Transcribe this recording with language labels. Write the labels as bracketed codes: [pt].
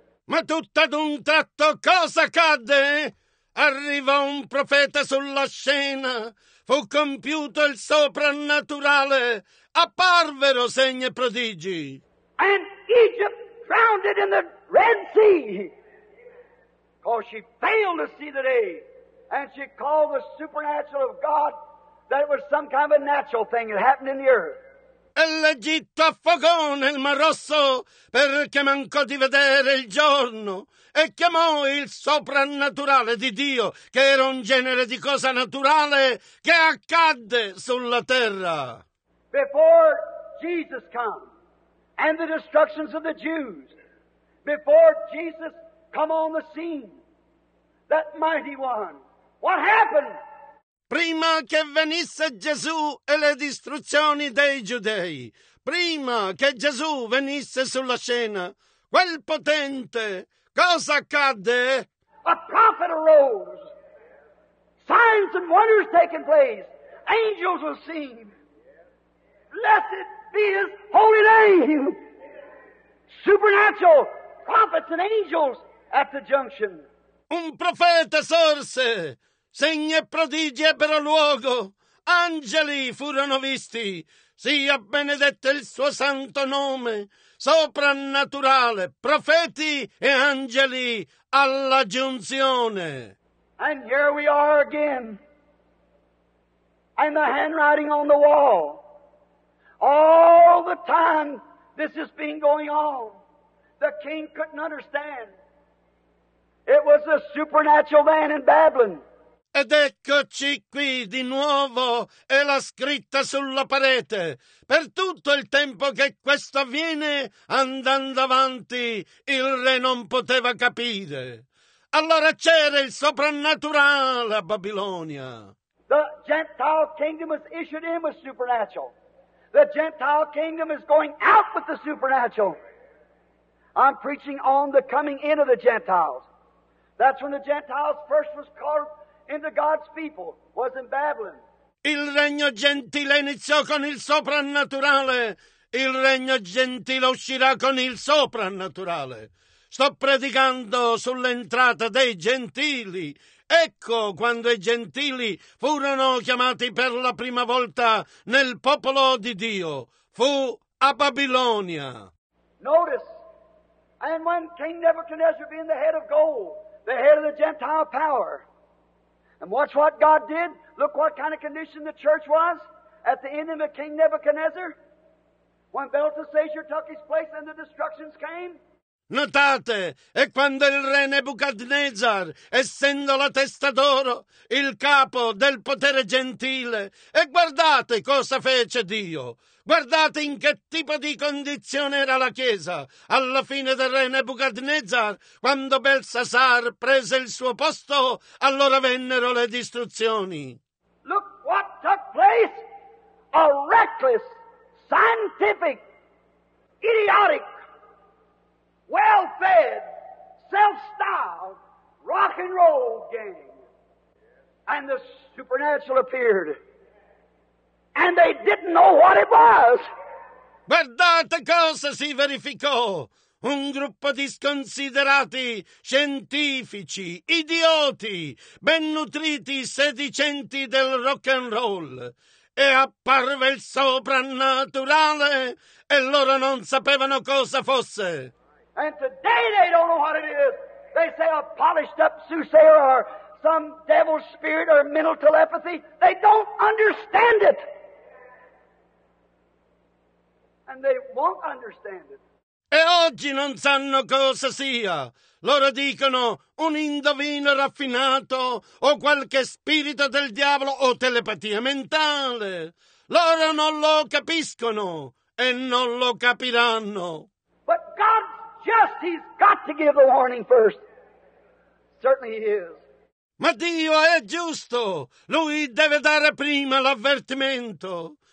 [it] Ma tutto ad un tratto cosa accadde? Arrivò un profeta sulla scena. Fu compiuto il soprannaturale. Apparvero segni e prodigi. [en] And Egypt grounded in the Red Sea, because she failed to see the day, and she called the supernatural of God that it was some kind of a natural thing that happened in the earth. [it] e l'Egitto affogò nel Mar Rosso perché mancò di vedere il giorno. E chiamò il soprannaturale di Dio, che era un genere di cosa naturale che accadde sulla terra. [en] Before Jesus came and the destructions of the Jews, before Jesus come on the scene, that mighty one, what happened? [it] Prima che venisse Gesù e le distruzioni dei giudei, prima che Gesù venisse sulla scena, quel potente, cosa accadde? [en] A prophet arose. Signs and wonders taking place. Angels were seen. Blessed be his holy name. Supernatural prophets and angels at the junction. [it] Un profeta sorse. Segni e prodigi ebbero luogo. Angeli furono visti. Sia benedetto il suo santo nome. Soprannaturale, profeti e angeli alla giunzione. [en] And here we are again. And the handwriting on the wall. All the time this has been going on, the king couldn't understand. It was a supernatural man in Babylon. [it] Ed eccoci qui di nuovo, e la scritta sulla parete. Per tutto il tempo che questo avviene, andando avanti, il re non poteva capire. Allora c'era il soprannaturale a Babilonia. [en] The Gentile kingdom was issued in with supernatural. The Gentile kingdom is going out with the supernatural. I'm preaching on the coming in of the Gentiles. That's when the Gentiles first was called into God's people, was in Babylon. [it] Il regno gentile iniziò con il soprannaturale. Il regno gentile uscirà con il soprannaturale. Sto predicando sull'entrata dei gentili. Ecco quando i gentili furono chiamati per la prima volta nel popolo di Dio. Fu a Babilonia. [en] Notice, and when King Nebuchadnezzar being the head of gold, the head of the Gentile power, and watch what God did. Look what kind of condition the church was at the end of King Nebuchadnezzar. When Belteshazzar took his place and the destructions came. [it] Notate, e quando il re Nebuchadnezzar, essendo la testa d'oro, il capo del potere gentile, e guardate cosa fece Dio. Guardate in che tipo di condizione era la Chiesa alla fine del re Nebuchadnezzar, quando Belsasar prese il suo posto, allora vennero le distruzioni. [en] Look what took place! A reckless, scientific, idiotic, well-fed, self-styled rock and roll gang. And the supernatural appeared. And they didn't know what it was. [it] Guardate cosa si verificò. Un gruppo di sconsiderati scientifici, idioti, ben nutriti sedicenti del rock and roll. E apparve il soprannaturale e loro non sapevano cosa fosse. [en] And today they don't know what it is. They say a polished up soothsayer or some devil spirit or mental telepathy. They don't understand it. And they won't understand it. [it] E oggi non sanno cosa sia. Loro dicono un indovino raffinato o qualche spirito del diavolo o telepatia mentale. Loro non lo capiscono e non lo capiranno. [en] But God's just, he's got to give the warning first. Certainly he is. [it] Ma Dio è giusto. Lui deve dare prima l'avvertimento.